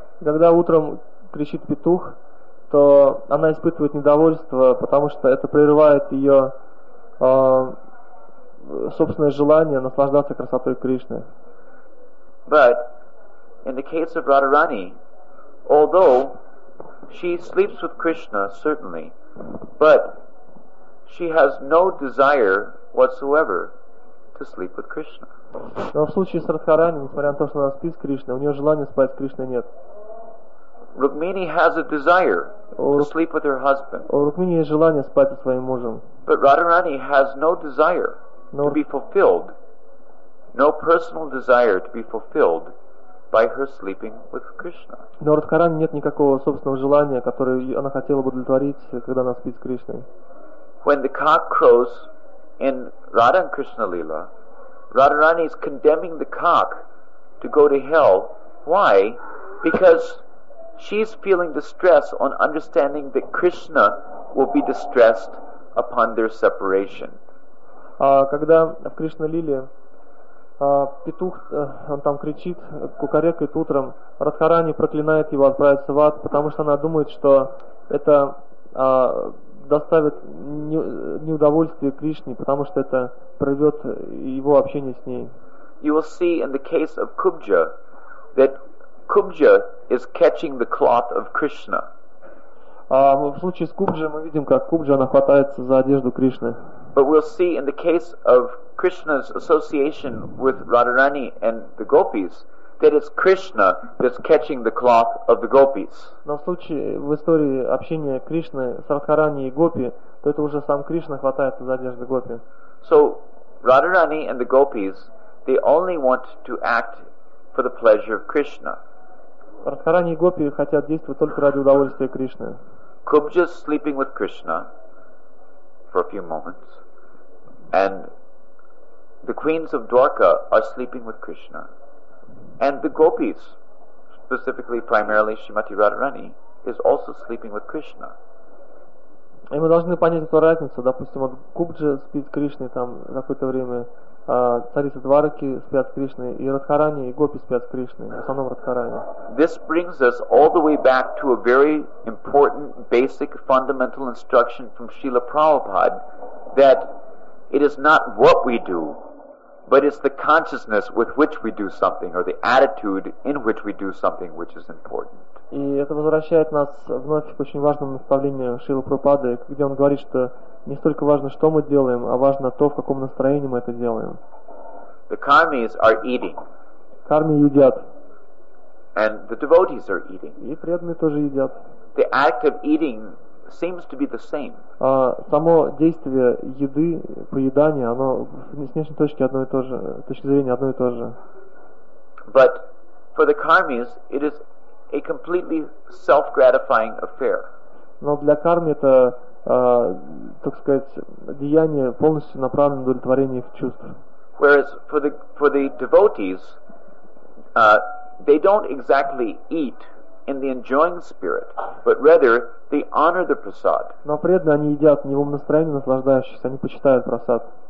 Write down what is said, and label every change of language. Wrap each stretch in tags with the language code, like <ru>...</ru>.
<ru>Когда утром кричит петух, то она испытывает недовольство, потому что это прерывает ее собственное желание наслаждаться красотой Кришны.</ru> <en>But in the case of Radharani, although she sleeps with Krishna, certainly, but she has no desire whatsoever to sleep with Krishna.</en> <ru>Но в случае с Радхарани, несмотря на то, что она спит с Кришной, у нее желания спать с Кришной нет.</ru> <en>Rukmini has a desire to sleep with her husband.</en> <ru>У Рукмини есть желание спать со своим мужем.</ru> <en>But Radharani has no desire to be fulfilled, no personal desire to be fulfilled by her sleeping with Krishna.</en> <ru>Но у Радхарани нет никакого собственного желания, которое она хотела бы удовлетворить, когда она спит с Кришной.</ru> <en>When the cock crows in Radha and Krishna Lila, Radharani is condemning the cock to go to hell. Why? Because she's feeling distress on understanding that Krishna will be distressed upon their separation.</en> <ru>Когда в Кришна Лиле петух, он там кричит, кукарекает утром, Радхарани проклинает его отправиться в ад, потому что она думает, что это доставит неудовольствие Кришне, потому что это прервет его общение с ней.</ru> <en>You will see in the case of Kubja that Kubja is catching the cloth of Krishna.</en> <ru>В случае с Кубджей мы видим, как Кубджа, она хватается за одежду Кришны.</ru> <en>But we'll see in the case of Krishna's association with Radharani and the gopis that it's Krishna that's catching the cloth of the gopis.</en> <ru>Но в случае в истории общения Кришны с Радхарани и гопи, то это уже сам Кришна хватается за одежду гопи.</ru> <en>So Radharani and the gopis, they only want to act for the pleasure of Krishna.</en> <ru>Радхарани и гопи хотят действовать только ради удовольствия Кришны.</ru> <en>Kubja is sleeping with Krishna for a few moments, and the queens of Dwarka are sleeping with Krishna, and the gopis, specifically, primarily Shrimati Radharani, is also sleeping with Krishna.</en> <ru>И мы должны понять эту разницу. Допустим, вот Кубджа спит с Кришной там на какое-то время, царица Двараки спят с Кришной, и Радхарани и гопи спят с Кришной, в основном Радхарани.</ru> <en>This brings us all the way back to a very important, basic, fundamental instruction from Srila Prabhupada that it is not what we do, but it's the consciousness with which we do something, or the attitude in which we do something, which is important.</en> <ru>И это возвращает нас вновь к очень важному наставлению Шрилы Прабхупады, где он говорит, что не столько важно, что мы делаем, а важно то, в каком настроении мы это делаем.</ru> <en>The karmis are eating.</en> <ru>Карми едят.</ru> <en>And the devotees are eating.</en> <ru>И преданные тоже едят.</ru> <en>The act of eating seems to be the same.</en> <ru>Само действие еды, поедания, оно с внешней точки одно и то же, с точки зрения одно и то же.</ru> <en>But for the karmis, it is a completely self-gratifying affair.</en> <ru>Но для карми это, так сказать, деяние полностью направлено на удовлетворение их чувств.</ru> <en>Whereas for the devotees, they don't exactly eat in the enjoying spirit, but rather they honor the prasad.</en> <ru>Но преданные они едят не в умонастроении наслаждающихся, они почитают прасад.</ru>